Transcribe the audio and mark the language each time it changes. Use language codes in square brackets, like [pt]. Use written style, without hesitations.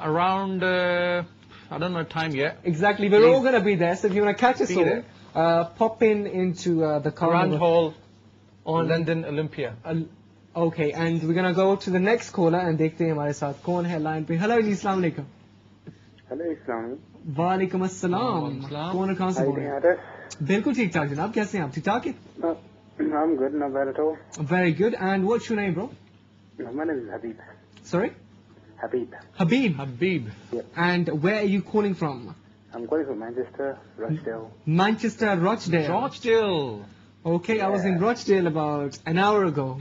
[en] Around, I don't know the time yet. Exactly, we're all going to be there, so if you want to catch us all, pop in into the Grand Hall on London Olympia. Okay, and we're going to go to the next caller and [ur] دیکھتے ہیں ہمارے ساتھ کون ہے [en] line پے. Hello, Assalamu Alaikum. Hello, Islam. [ar] Waalaikum Assalam. [ur] کون ہے، کہاں سے بول رہے hain? بالکل ٹھیک ٹھاک جناب، کیسے ہیں آپ؟ ٹھیک ٹھاک ہے؟ [en] I'm good, not bad at all. Very good, and what's your name, bro? My name is Habib. Sorry? Habib. Habib. Yep. And where are you calling from? I'm calling from Manchester, Rochdale. Manchester, Rochdale. Rochdale. Okay, yeah. I was in Rochdale about an hour ago.